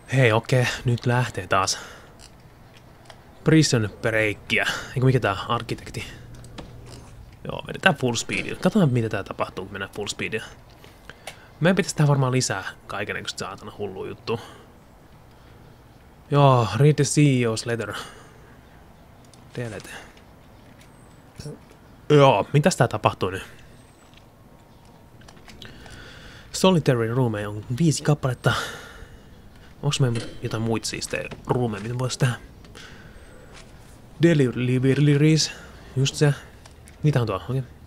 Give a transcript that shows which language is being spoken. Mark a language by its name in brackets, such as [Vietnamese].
[Finnish] Hei, okei, nyt lähtee taas. Prison breakia. Eikö mikä tää arkkitehti? Joo, vedetään full speedillä. Katsotaan, mitä tää tapahtuu, kun mennään full speedillä. Meidän pitäisi tehdä varmaan lisää kaikennäköistä saatana hullu juttu. [English] Joo, read the CEO's letter. Delete. [Finnish] Joo, mitäs tää tapahtuu nyt? Solitary roomeja on 5 kappaletta. Onks meillä jotain muita siistejä roomeja, mitä voisi tehdä? Deliveries, just se. Mitä on tuo, okei. Okay.